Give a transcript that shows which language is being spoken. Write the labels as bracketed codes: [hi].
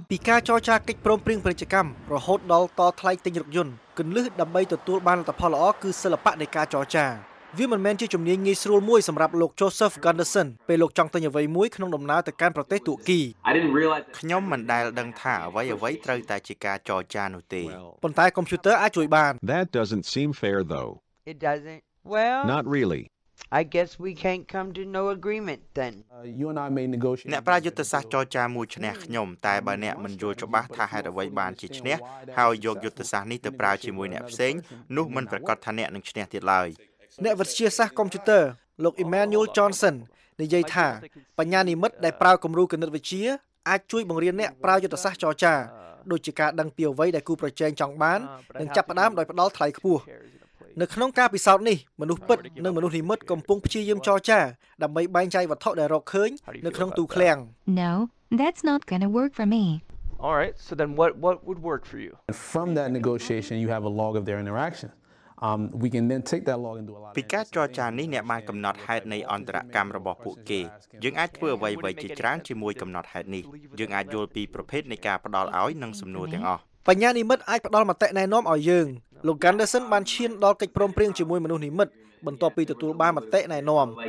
[km] ពីការចរចាកិច្ចព្រមព្រៀងពាណិជ្ជកម្មរហូតដល់តថ្លៃទិញរថយន្តគន្លឹះដើម្បីទទួលបានលទ្ធផលល្អគឺសិល្បៈនៃការចរចាវាមិនមែនជាជំនាញងាយស្រួលមួយសម្រាប់លោក Joseph Gunderson ពេលលោកចង់ទិញអ្វីមួយក្នុងដំណើរទៅកាន់ប្រទេសទួគី ខ្ញុំមិនដែលដឹងថាអ្វីត្រូវតែជាការចរចានោះទេ ប៉ុន្តែកុំព្យូទ័រអាចជួយបាន [en] That doesn't seem fair though It doesn't Well Not really I guess we can't come to no agreement then. You and I may negotiate. [km] អ្នកប្រាជ្ញយុទ្ធសាស្ត្រចរចាមួយឈ្នះខ្ញុំតែបើអ្នកមិនយល់ច្បាស់ថាហេតុអ្វីបានជាឈ្នះហើយយកយុទ្ធសាស្ត្រនេះទៅប្រើជាមួយអ្នកផ្សេងនោះមិនប្រកាសថាអ្នកនឹងឈ្នះទៀតឡើយ ។អ្នកវិទ្យាសាស្ត្រកុំព្យូទ័រលោក Emmanuel Johnson និយាយថាបញ្ញានិមិត្តដែលប្រើគំរូគណិតវិទ្យាអាចជួយបង្រៀនអ្នកប្រើយុទ្ធសាស្ត្រចរចាដូចជាការដឹងពីអ្វីដែលគូប្រជែងចង់បាននិងចាប់ផ្ដើមដោយផ្ដល់ថ្លៃខ្ពស់។នៅក្នុងការពិសោធន៍នេះមនុស្សពិតនិងមនុស្សនិមិត្តកំពុងព្យាយាមចរចាដើម្បីបែងចែកវត្ថុដែលរកឃើញនៅក្នុងទូឃ្លាំង [en] No that's not going to work for me All right so then what would work for you From that negotiation you have a log of their interaction we can then take that log and do a lot [km] ពីការចរចានេះអ្នកបានកំណត់ហេតុនៃអន្តរកម្មរបស់ពួកគេយើងអាចធ្វើអ្វីៗជាច្រើនជាមួយកំណត់ហេតុនេះយើងអាចយល់ពីប្រភេទនៃការផ្ដល់ឲ្យនិងសំណួរទាំងអស់ បញ្ញានិមិត្តអាចផ្ដល់មតិណែនាំឲ្យយើង លោក Gunderson បានឈានដល់កិច្ចព្រមព្រៀងជាមួយមនុស្សនិមិត្តបន្ទាប់ពីទទួលបានមតិណែនាំ